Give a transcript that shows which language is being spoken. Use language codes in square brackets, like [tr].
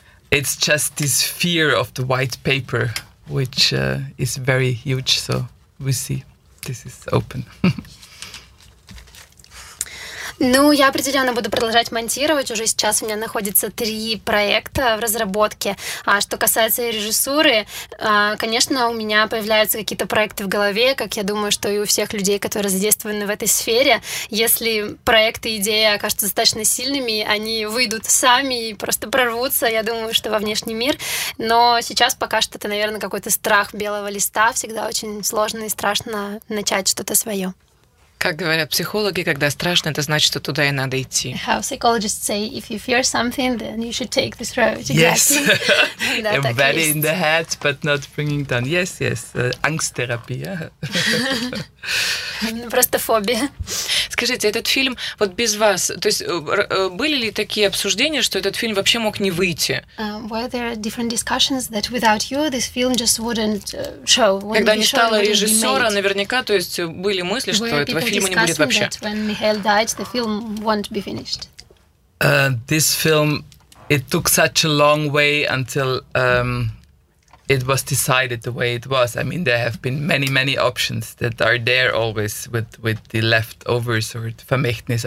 [en] It's just this fear of the white paper, which is very huge. So we see, this is open. [ru] Ну, я определенно буду продолжать монтировать. Уже сейчас у меня находится 3 проекта в разработке. А что касается режиссуры, конечно, у меня появляются какие-то проекты в голове, как я думаю, что и у всех людей, которые задействованы в этой сфере. Если проект и идея окажутся достаточно сильными, они выйдут сами и просто прорвутся, я думаю, что во внешний мир. Но сейчас пока что это, наверное, какой-то страх белого листа. Всегда очень сложно и страшно начать что-то свое. Как говорят психологи, когда страшно, это значит, что туда и надо идти. [en] How psychologists say, if you fear something, then you should take this road. Exactly. Yes. A belly in the head, but not bringing down. Yes, yes. [ru] Angst-терапия. Просто фобия. Скажите, этот фильм вот без вас, то есть были ли такие обсуждения, что этот фильм вообще мог не выйти? [en] Were there different discussions that without you this film just wouldn't show? [ru] Когда не стало режиссера, наверняка, то есть были мысли, что этого фильма не будет вообще? [en] Were people discussing that when Mihail died, the film won't be finished? This film, it took such a long way until it was decided the way it was. I mean, there have been many, many options that are there always with the leftovers or the vermächtnis.